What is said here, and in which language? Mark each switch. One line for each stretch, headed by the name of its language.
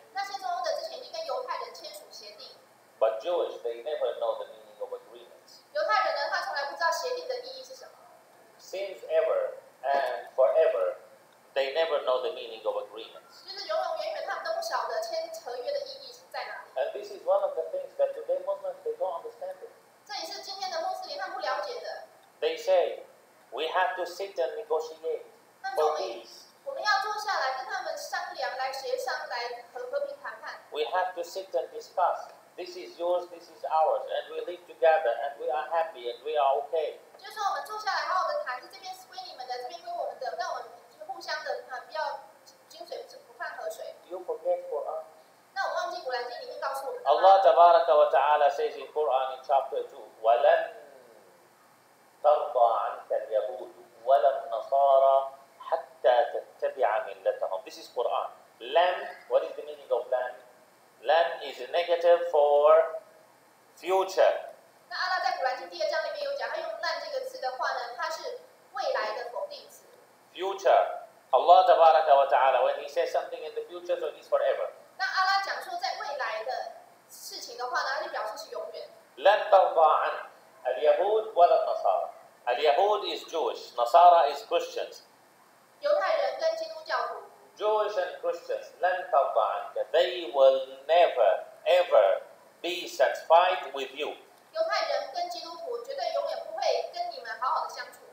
English: But Jewish, they never know the meaning of agreements. Since ever and forever, they never know the meaning of agreements. And this is one of the things that today Muslims, they don't understand it.
Chinese: 这也是今天的穆斯林他不了解的。
English: They say we have to sit and negotiate for peace.
Chinese: 我们要坐下来跟他们商量，来协商，来和平谈判。
English: We have to sit and discuss. This is yours, this is ours, and we live together, and we are happy, and we are okay.
Chinese: 就是说我们坐下来好好的谈，这边是归你们的，这边归我们的，但我们互相的不要井水不犯河水。
English: You forget for us.
Chinese: 那我忘记古兰经里面告诉我们。
English: Allah says in Quran in chapter 2,
Arabic: وَلَنْ تَرْضَى عَنْكَ الْيَهُودُ وَلَا النَّصَارَى حَتَّى تَتَّبِعَ مِلَّتَهُمْ.
English: This is Quran. لَنْ, what is the meaning of لَنْ? لَنْ is a negative for future.
Chinese: 那阿拉在古兰经第二章里面有讲，他用لَنْ 这个词的话呢，它是未来的否定词。
English: Future. Allah tabaraka wa ta'ala, when he says something in the future, so it is forever.
Chinese: 那阿拉讲说，在未来的事情的话呢，就表示是永远。
Arabic: لن ترضى عن اليهود ولا النصارى.
English: اليهود is Jewish, Nasara is Christians.
Chinese: 犹太人跟基督教徒。
English: Jewish and Christians,
Arabic: لن ترضى عنك.
English: They will never ever be satisfied with you.
Chinese: 犹太人跟基督徒绝对永远不会跟你们好好的相处。